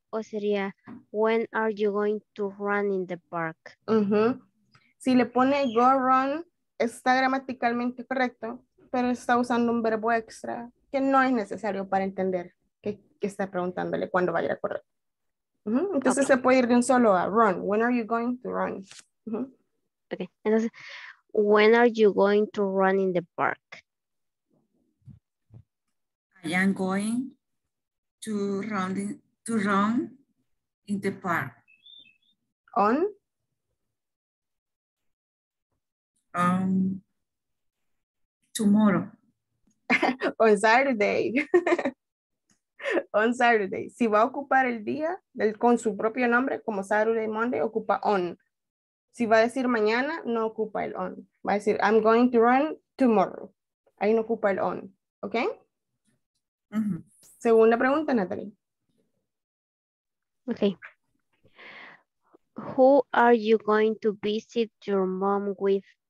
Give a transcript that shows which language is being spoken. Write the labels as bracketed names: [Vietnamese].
[Spanish] O sería, [English] when are you going to run in the park? Uh-huh. [Spanish] Si le pone go run, está gramaticalmente correcto, pero está usando un verbo extra que no es necesario para entender que está preguntándole cuándo va a ir a correr. Uh-huh. Entonces okay. Se puede ir de un solo a run. [English] When are you going to run? Uh-huh. Okay, entonces, when are you going to run in the park? I am going to run in the park. On? Tomorrow. On Saturday. On Saturday. [Spanish] Si va a ocupar el día del, con su propio nombre, como Saturday, Monday, ocupa on. Si va a decir mañana, no ocupa el on. Va a decir, [English] I'm going to run tomorrow. [Spanish] Ahí no ocupa el on. ¿Ok? Uh-huh. Segunda pregunta, Natalie. Ok. [English] Who are you going to visit your mom with?